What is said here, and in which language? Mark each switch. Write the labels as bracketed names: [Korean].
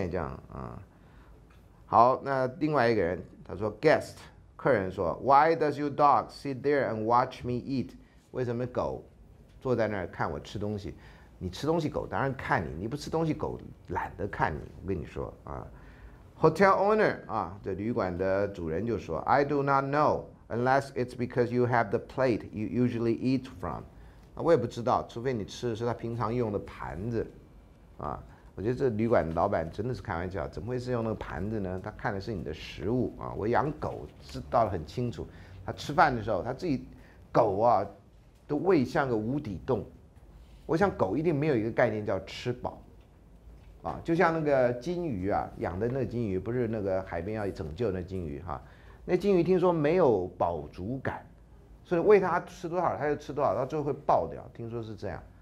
[Chinese] 这样啊。好，那另外一个人他说 ，guest 客人说 ， [English] Why does your dog sit there and watch me eat？ [Chinese] 为什么狗坐在那儿看我吃东西？你吃东西，狗当然看你；你不吃东西，狗懒得看你。我跟你说啊。 [English] Hotel owner 啊， [Chinese] 这旅馆的主人就说 [English] ，I do not know unless it's because you have the plate you usually eat from。 [Chinese] 啊，我也不知道，除非你吃的是他平常用的盘子。啊，我觉得这旅馆老板真的是开玩笑，怎么会是用那个盘子呢？他看的是你的食物啊。我养狗知道得很清楚，他吃饭的时候他自己狗啊，的胃像个无底洞，我想狗一定没有一个概念叫吃饱，啊，就像那个金鱼啊，养的那个金鱼，不是那个海边要拯救那金鱼哈，那金鱼听说没有饱足感，所以喂它吃多少它就吃多少，到最后会爆掉，听说是这样。